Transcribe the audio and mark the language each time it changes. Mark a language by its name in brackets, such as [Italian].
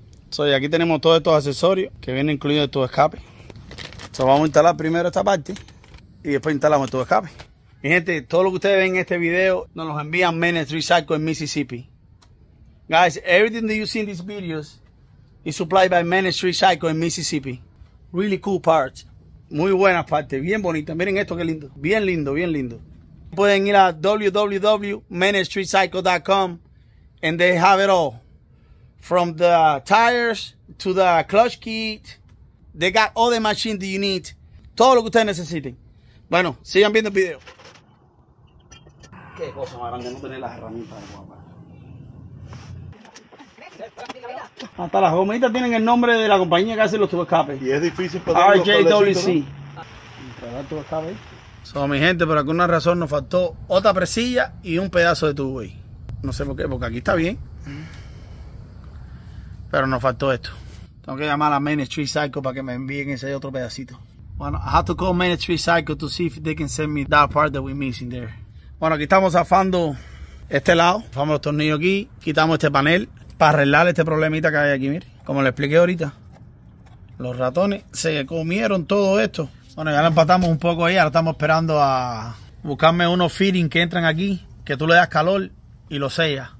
[Spanish] So y aquí tenemos todos estos accesorios que vienen incluidos en tu escape. So vamos a instalar primero esta parte y después instalamos tu escape. Mi gente, todo lo que ustedes ven en este video nos los envían Menes Recycle en Mississippi. [English] Guys, everything that you see in these videos is supplied by Menes Recycle in Mississippi. Really cool parts. [Spanish] Muy buenas partes, bien bonitas. Miren esto que lindo. Bien lindo, bien lindo. Pueden ir a [English] www.menesrecycle.com and they have it all. From the tires to the clutch kit. They got all the machines that you need. [Spanish] Todo lo que ustedes necesiten. Bueno, sigan viendo el video. Qué cosa más grande no tener las herramientas de guapa. Hasta las gomitas tienen el nombre de la compañía que hace los tubos escape. Y es difícil para RJWC. So, mi gente, por alguna razón nos faltó otra presilla y un pedazo de tubo ahí. No sé por qué, porque aquí está bien. Pero nos faltó esto. Tengo que llamar a Menes Recycle para que me envíen ese otro pedacito. [English] Bueno, I have to call Menes Recycle to see if they can send me that part that we're missing there. [Spanish] Bueno, aquí estamos zafando este lado. Zafamos los tornillos aquí. Quitamos este panel. Para arreglar este problemita que hay aquí, mire. Como le expliqué ahorita, los ratones se comieron todo esto. Bueno, ya lo empatamos un poco ahí. Ahora estamos esperando a buscarme unos fittings que entran aquí, que tú le das calor y lo sellas.